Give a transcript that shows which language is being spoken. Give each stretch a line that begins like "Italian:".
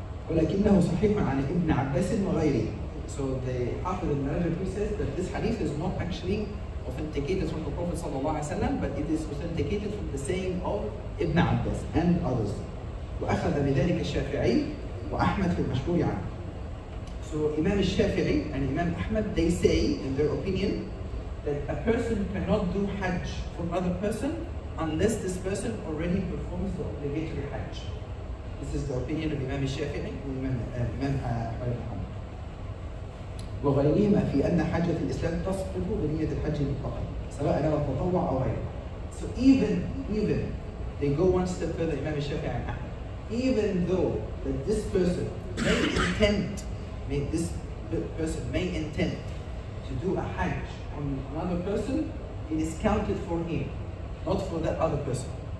Arabic: ولكنه صحيح عن ابن عباس وغيره.
English: So the Hafiz al-Rajab says that this hadith is not actually authenticated from the Prophet صلى الله عليه وسلم, but it is authenticated from the saying of Ibn Abbas and others.
Arabic: وأخذ بذلك الشافعي وأحمد في المشهور عنه.
English: So Imam al-Shafi'i and Imam Ahmad, they say in their opinion that a person cannot do Hajj for another person unless this person already performs the obligatory Hajj. This is the opinion of Imam Shafi'i and Imam Ahmad.
Arabic: وغيرهما في أن حجة الإسلام تسقط بنية الحج المتقدم سواء نوى التطوع أو غيره.
English: So even they go one step further, Imam Shafi'i and Ahmad. Even though that this person may intend, may this person may intend to do a hajj on another person, it is counted for him, not for that other person.